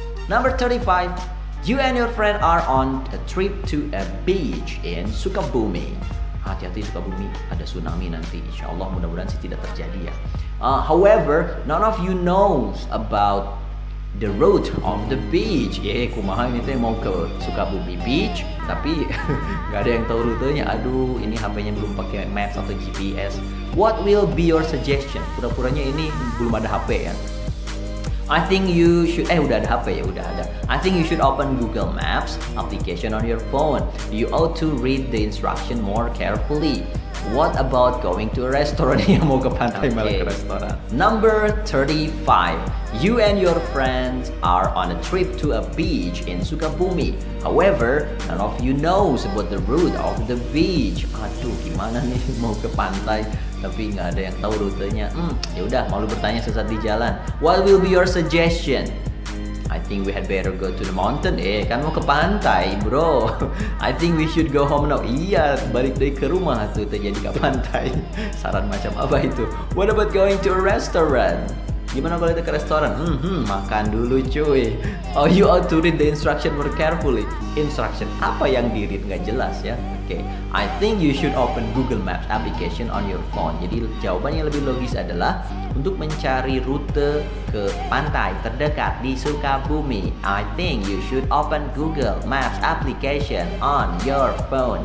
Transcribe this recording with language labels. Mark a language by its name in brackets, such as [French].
[English] Number 35, you and your friend are on a trip to a beach in Sukabumi. [Indonesian] Hati-hati Sukabumi, ada tsunami nanti. Insyaallah mudah-mudahan sih tidak terjadi ya. [English] However, none of you knows about the route of the beach. [Sundanese] Kumaha ini teh [Indonesian] mau ke Sukabumi Beach, tapi gak ada yang tahu rutenya. Aduh, ini HP-nya belum pakai maps atau GPS. [English] What will be your suggestion? [Indonesian] Pura-puranya ini belum ada HP ya. [English] I think you should I think you should open Google Maps application on your phone. You ought to read the instruction more carefully. What about going to a restaurant? [Indonesian] Yang mau ke pantai malah ke restoran. [English] Number 35. You and your friends are on a trip to a beach in Sukabumi. However, none of you knows about the route of the beach. [Indonesian] Aduh, gimana nih mau ke pantai tapi enggak ada yang tahu rutenya. Ya udah, malu bertanya sesat di jalan. [English] What will be your suggestion? I think we had better go to the mountain. [Indonesian] Kan mau ke pantai, bro. [English] I think we should go home now. [Indonesian] Iya, balik deh ke rumah tuh, terjadi ke pantai. Saran macam apa itu? [English] What about going to a restaurant? [Indonesian] Gimana kalau kita ke restoran? Makan dulu cuy. [English] Oh, you ought to read the instruction more carefully. Instruction [Indonesian] apa yang di-read? Nggak jelas ya. [English] Okay. I think you should open Google Maps application on your phone. [Indonesian] Jadi jawaban yang lebih logis adalah untuk mencari rute ke pantai terdekat di Sukabumi. [English] I think you should open Google Maps application on your phone.